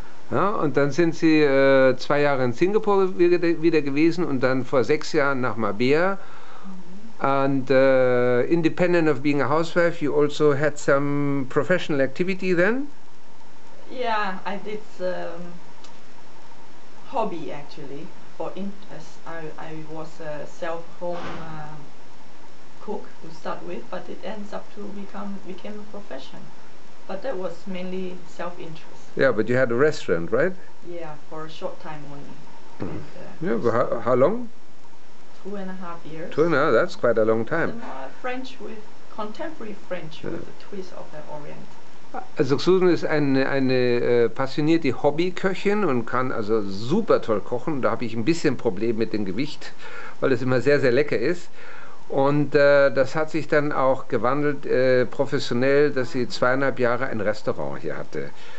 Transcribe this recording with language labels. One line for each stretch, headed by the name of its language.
German: Ja, und dann sind sie 2 Jahre in Singapur wieder gewesen und dann vor 6 Jahren nach Mabea.
English: And independent of being a housewife, you also had some professional activity then? Yeah, I did hobby actually. I was a self-home cook to start with, but it ends up to became a profession. But that was mainly self-interest. Yeah, but you had a restaurant, right? Yeah, for a short time only. Mm. How long? 2.5 years. That's quite a long time. French with contemporary French with a twist of the Orient.
German: Also Susan ist eine passionierte Hobbyköchin und kann also super toll kochen. Da habe ich ein bisschen Problem mit dem Gewicht, weil es immer sehr, sehr lecker ist. Und das hat sich dann auch gewandelt professionell, dass sie 2,5 Jahre ein Restaurant hier hatte.